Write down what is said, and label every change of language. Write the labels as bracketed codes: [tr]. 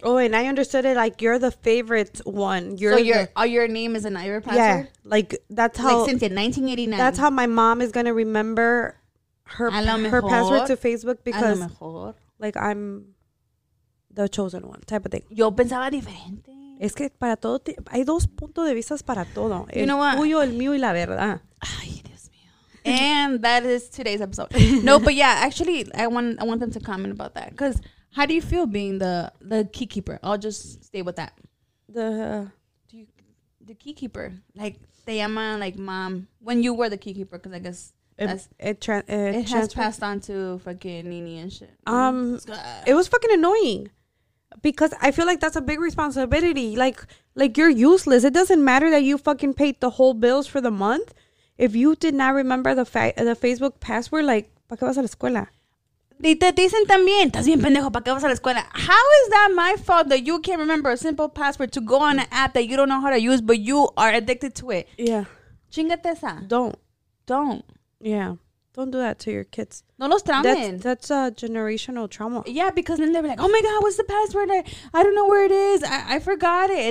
[en] Oh, and I understood it like you're the favorite one. You're so your name is an Ira password? Yeah. Like, that's how. Like, since 1989. That's how my mom is going to remember her password to Facebook because, like, I'm the chosen one type of thing. [es] Yo pensaba diferente. Es que para todo, hay dos puntos de vista para todo. [en] You know what? [es] El tuyo, el mío y la verdad. Ay, Dios mío. [en] And that is today's episode. No, but yeah, actually, I want them to comment about that. Because how do you feel being the key keeper? I'll just stay with that. The key keeper. Like, [es] te llama, [en] like, mom. When you were the key keeper, because I guess it has passed on to fucking Nini and shit. It was fucking annoying. Because I feel like that's a big responsibility. Like you're useless. It doesn't matter that you fucking paid the whole bills for the month. If you did not remember the Facebook password, like, [es] ¿para qué vas a la escuela? Y te dicen también, estás bien pendejo, ¿para qué vas a la escuela? [en] How is that my fault that you can't remember a simple password to go on an app that you don't know how to use, but you are addicted to it? Yeah. [es] Chingate esa. [en] Don't. Yeah. Don't do that to your kids. [es] No los traumen. [en] That's a generational trauma. Yeah, because then they'll be like, oh my God, what's the password? I don't know where it is. I forgot it.